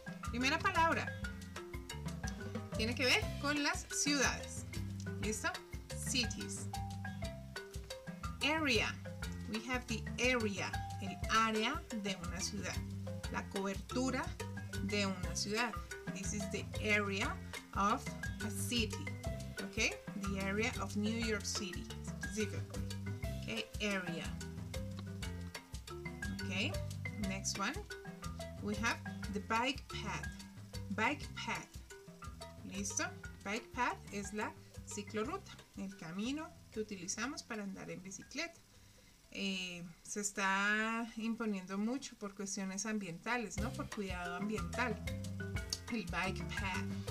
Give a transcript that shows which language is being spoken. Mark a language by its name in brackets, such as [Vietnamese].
[Spanish] Primera palabra, tiene que ver con las ciudades, ¿listo? Cities. Area, [English] we have the area, [Spanish] el área de una ciudad, la cobertura de una ciudad. [English] This is the area of a city, okay? The area of New York City, specifically, okay? Area, okay? Next one, we have the bike path. [Spanish] Bike path, ¿listo? Bike path es la ciclorruta, el camino que utilizamos para andar en bicicleta. Se está imponiendo mucho por cuestiones ambientales, ¿no? Por cuidado ambiental, el bike path.